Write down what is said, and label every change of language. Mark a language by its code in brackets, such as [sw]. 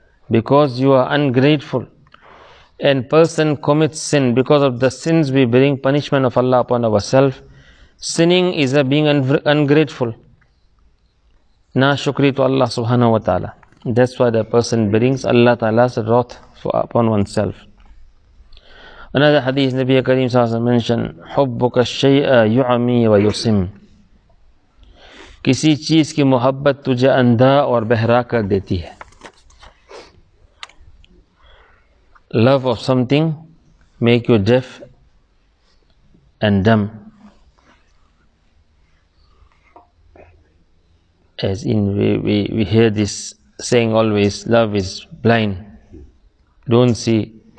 [en] Because you are ungrateful. And person commits sin, because of the sins we bring punishment of Allah upon ourselves. Sinning is a being ungrateful. Na shukri to Allah subhanahu wa ta'ala. That's why the person brings Allah ta'ala's wrath upon oneself. Another hadith, Nabi Kareem s.a.w. [ar] mentioned, حُبُّكَ الشَّيْءَ يُعَمِي وَيُصِمْ. [ur] کسی چیز کی محبت تجھے اندھا اور بہرا کر دیتی ہے. [en] Love of something make you deaf and dumb. As in we hear this saying always, love is blind. Don't see.